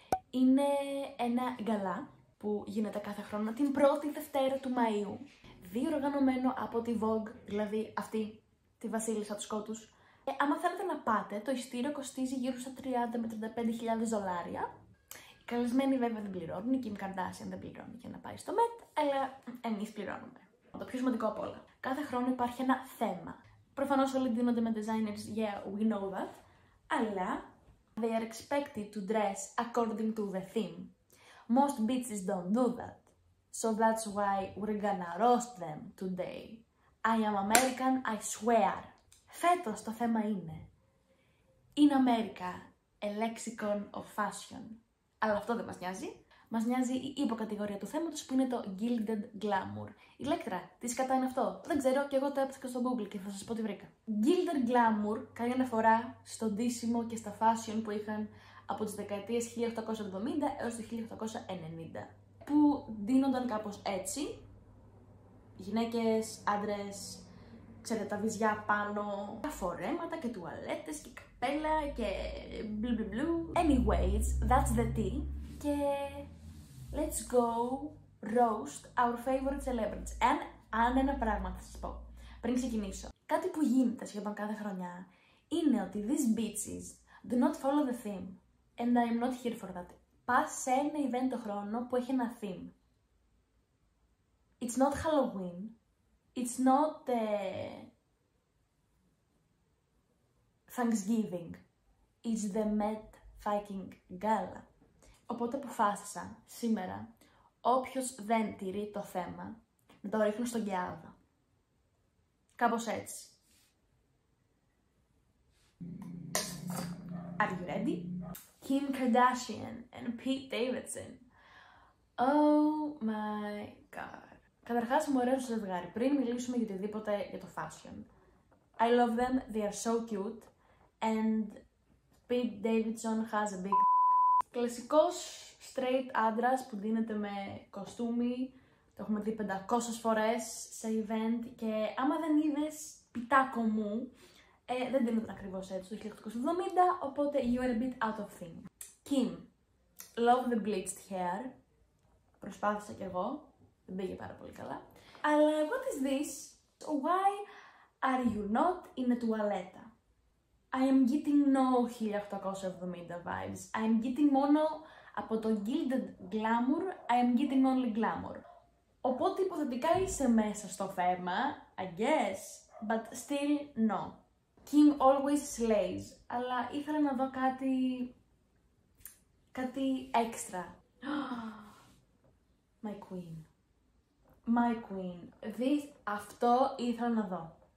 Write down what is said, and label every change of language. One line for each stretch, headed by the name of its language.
Greek: Είναι ένα γκαλά που γίνεται κάθε χρόνο την πρώτη Δευτέρα του Μαΐου, διοργανωμένο από τη Vogue, δηλαδή αυτή τη βασίλισσα του σκότους. Άμα θέλετε να πάτε, το εισιτήριο κοστίζει γύρω στα 30 με 35.000 δολάρια. Οι καλεσμένοι βέβαια δεν πληρώνουν, η Kim Kardashian δεν πληρώνει για να πάει στο Met, αλλά εμείς πληρώνουμε. Το πιο σημαντικό απ' όλα, κάθε χρόνο υπάρχει ένα θέμα. Προφανώς όλοι ντύνονται με designers,
English: yeah, we know that.
Greek: Αλλά
English: they are expected to dress according to the theme. Most bitches don't do that. So that's why we're gonna roast them today. I am American, I swear.
Greek: Φέτος το θέμα είναι
English: In America, a lexicon of fashion.
Greek: Αλλά αυτό δεν μας νοιάζει. Μας νοιάζει η υποκατηγορία του θέματος που είναι το Gilded Glamour. Ηλέκτρα, τι σκατά είναι αυτό? Δεν ξέρω, και εγώ το έψαξα στο Google και θα σας πω τι βρήκα. Gilded Glamour κάνει αναφορά στο ντύσιμο και στα fashion που είχαν από τις δεκαετίες 1870 έως το 1890. Που ντύνονταν κάπως έτσι. Γυναίκες, άντρες, ξέρετε, τα βυζιά πάνω, τα φορέματα και τουαλέτες και καπέλα και μπλου μπλου μπλου.
English: Anyways, that's the tea.
Greek: Και
English: let's go roast our favorite celebrities.
Greek: Αν ένα πράγμα θα σας πω πριν ξεκινήσω. Κάτι που γίνεται σχεδόν κάθε χρονιά είναι ότι
English: these bitches do not follow the theme. And I'm not here for that.
Greek: Πας σε ένα event το χρόνο που έχει ένα theme.
English: It's not Halloween. It's not Thanksgiving. It's the Met fucking Gala.
Greek: Οπότε αποφάσισα σήμερα, όποιος δεν τηρεί το θέμα, να το ρίχνω στον κιάδο. Κάπως έτσι.
English: Are you ready? Kim Kardashian and Pete Davidson. Oh my god.
Greek: Καταρχάς, μου αρέσει το ζευγάρι. Πριν μιλήσουμε για οτιδήποτε για το fashion.
English: I love them, they are so cute. And Pete Davidson has a big...
Greek: Κλασικός straight άντρας που ντύνεται με κοστούμι. Το έχουμε δει 500 φορές σε event. Και άμα δεν είδες πιτάκο μου, δεν ντύνεται ακριβώς έτσι το 1870. Οπότε
English: you are a bit out of theme. Kim, love the bleached hair.
Greek: Προσπάθησα κι εγώ, δεν πήγε πάρα πολύ καλά. Αλλά
English: what is this? Why are you not in a τουαλέτα? I am getting no 1870 vibes. I am getting
Greek: μόνο από το
English: Gilded Glamour, I am getting only glamour.
Greek: Οπότε υποθετικά είσαι μέσα στο θέμα,
English: I guess, but still no. Kim always slays,
Greek: αλλά ήθελα να δω κάτι έξτρα.
English: My queen. My queen.
Greek: Αυτό ήθελα να δω.